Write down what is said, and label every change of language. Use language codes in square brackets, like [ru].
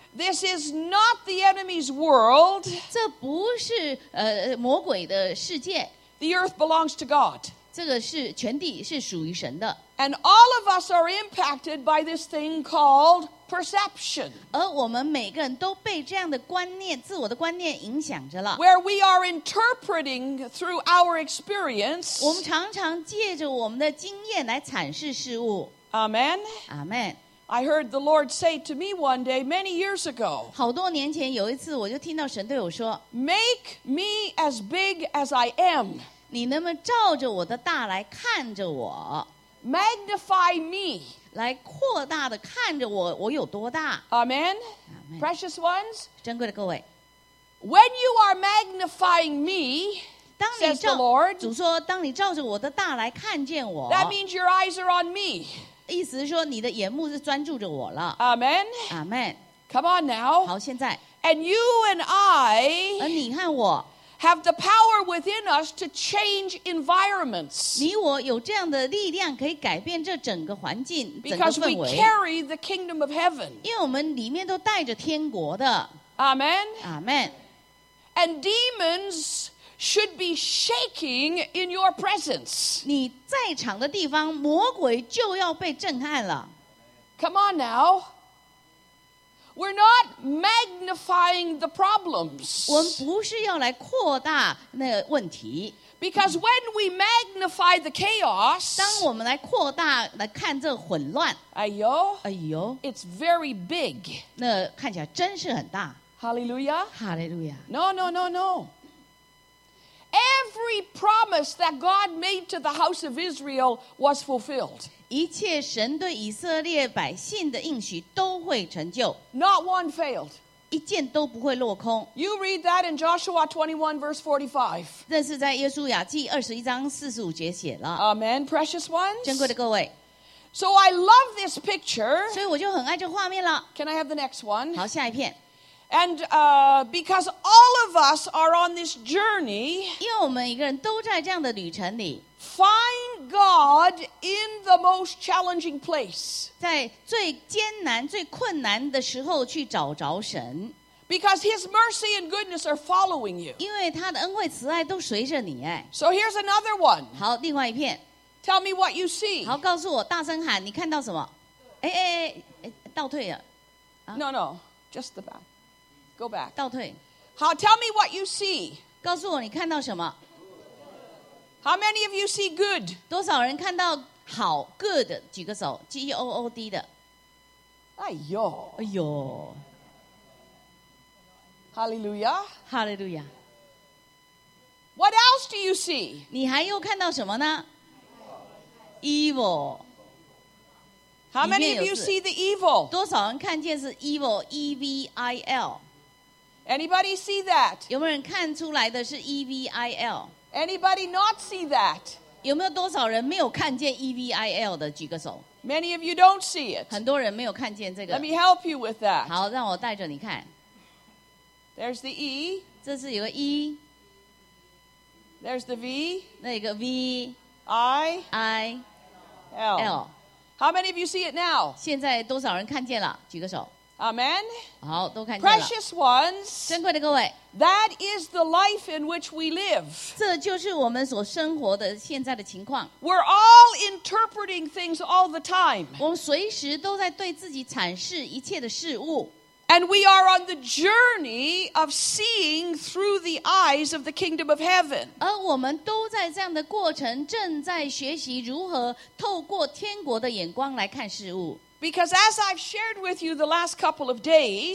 [en] This is not the enemy's world. [zh] 这不是魔鬼的世界。 [en] The earth belongs to God. [zh] 这个是全地是属于神的。 [en] And all of us are impacted by this thing called perception. [zh] 而我们每个人都被这样的观念，自我的观念影响着了。 [en] Where we are interpreting through our experience. [zh] 我们常常借着我们的经验来阐释事物。 [en] Amen. Amen. I heard the Lord say to me one day, many years ago, [zh] 好多年前有一次我就听到神对我说 [en] make me as big as I am. [zh] 你能不能照着我的大来看着我 [en] magnify me. [zh] 来扩大的看着我，我有多大 [en] Amen. Precious ones, [zh] 珍贵的各位 [en] when you are magnifying me, [zh] 当你 [en] says the Lord, [zh] 主说当你照着我的大来看见我 [en] that means your eyes are on me. [zh] 意思是说你的眼目是专注着我了 [en] Amen. Amen. Come on now. [zh] 好现在 [en] And you and I [zh] 而你和我 [en] have the power within us to change environments. [zh] 你我有这样的力量可以改变这整个环境 [en] Because we carry the kingdom of heaven. [zh] 因为我们里面都带着天国的 [en] Amen. Amen. And demons... should be shaking in your presence. [zh] 你在场的地方魔鬼就要被震撼了。 [en] Come on now. We're not magnifying the problems. [zh] 我们不是要来扩大那个问题。 [en] Because when we magnify the chaos, [zh] 当我们来扩大来看这混乱。哎呦。哎呦。 [en] It's very big. [zh] 那看起来真是很大。 [en] Hallelujah. Hallelujah. No, no, no, no. Every promise that God made to the house of Israel was fulfilled. [zh] 一切神对以色列百姓的应许都会成就。 [en] Not one failed. [zh] 一件都不会落空。 [en] You read that in Joshua 21 verse 45. [zh] 那是在耶稣雅记21章45节写了。 [en] Amen, precious ones. [zh] 珍贵的各位。 [en] So I love this picture. [zh] 所以我就很爱这画面了。 [en] Can I have the next one? [zh] 好，下一片。 [en] And because all of us are on this journey, [zh] 因为我们每个人都在这样的旅程里 [en] find God in the most challenging place, [zh] 在最艰难、最困难的时候去找着神 [en] because His mercy and goodness are following you. [zh] 因为他的恩惠、慈爱都随着你哎 [en] So here's another one. [zh] 好，另外一片 [en] Tell me what you see. [zh] 好，告诉我，大声喊，你看到什么？哎哎哎哎，倒退了。 [en] No, no, just the back. Go back. [zh] 倒退。 [en] 好 tell me what you see. [zh] 告诉我你看到什么。 [en] How many of you see good? [zh] 多少人看到好 good? 举个手 ,G-O-O-D 的。哎呦。哎呦。 [en] Hallelujah. Hallelujah. What else do you see? [zh] 你还又看到什么呢 ?Evil. [en] How many of you see the evil? [zh] 多少人看见是 evil, E-V-I-L? [en] Anybody see that? [zh] 有没有人看出来的是 E V I L? [en] Anybody not see that? [zh] 有没有多少人没有看见 E V I L 的？举个手。 [en] Many of you don't see it. [zh] 很多人没有看见这个。 [en] Let me help you with that. [zh] 好，让我带着你看。 [en] There's the E. [zh] 这是有个 E. [en] There's the V. [zh] 那个 V. [en] I. L. L. How many of you see it now? [zh] 现在多少人看见了？举个手。 [en] Amen. [zh] 好，都看见了。 [en] Precious ones, [zh] 珍贵的各位。 [en] That is the life in which we live. [zh] 这就是我们所生活的现在的情况。 [en] We're all interpreting things all the time. [zh] 我们随时都在对自己阐释一切的事物。 [en] And we are on the journey of seeing through the eyes of the kingdom of heaven. [zh] 而我们都在这样的过程，正在学习如何透过天国的眼光来看事物。 [en] Because as I've shared with you the last couple of days,